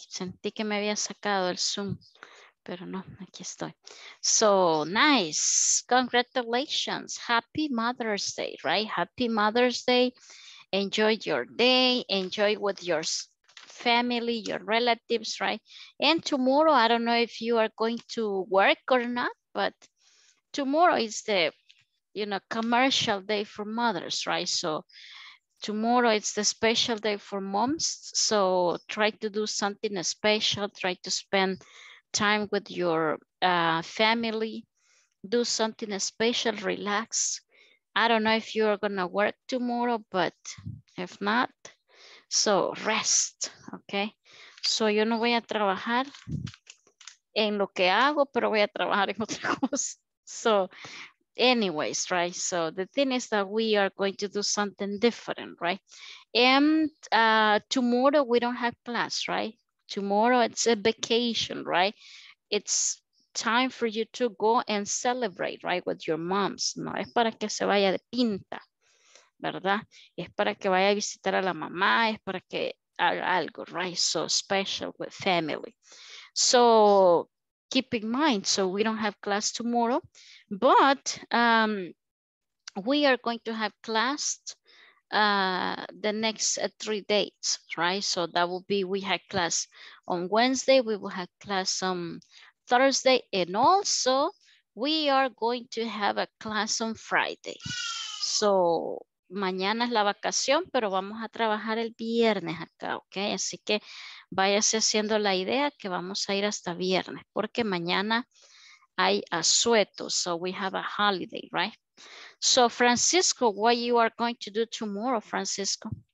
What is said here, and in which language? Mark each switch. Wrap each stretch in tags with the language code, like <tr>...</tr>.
<es>Sentí que me había sacado el Zoom, pero no, aquí estoy.</es> <en>So nice, congratulations, happy Mother's Day, right? Happy Mother's Day, enjoy your day, enjoy with your family, your relatives, right? And tomorrow, I don't know if you are going to work or not, but tomorrow is the, you know, commercial day for mothers, right? So tomorrow it's the special day for moms, so try to do something special, try to spend time with your family, do something special, relax. I don't know if you're gonna work tomorrow, but if not, so rest, okay? So</en> <es>yo no voy a trabajar en lo que hago, pero voy a trabajar en otra cosa.</es> <en>So, anyways, right? So, the thing is that we are going to do something different, right? And tomorrow we don't have class, right? Tomorrow it's a vacation, right? It's time for you to go and celebrate, right, with your moms.</en> <es>No es para que se vaya de pinta, ¿verdad? Es para que vaya a visitar a la mamá, es para que haga algo, right?</es> <en>So special with family. So keep in mind, so we don't have class tomorrow, but we are going to have class the next 3 days, right? So that will be, we had class on Wednesday, we will have class on Thursday, and also we are going to have a class on Friday.</en> <es>So mañana es la vacación, pero vamos a trabajar el viernes acá, ok? Así que váyase haciendo la idea que vamos a ir hasta viernes, porque mañana hay asueto,</es> <en>so we have a holiday, right? So, Francisco, what you are going to do tomorrow, Francisco?</en>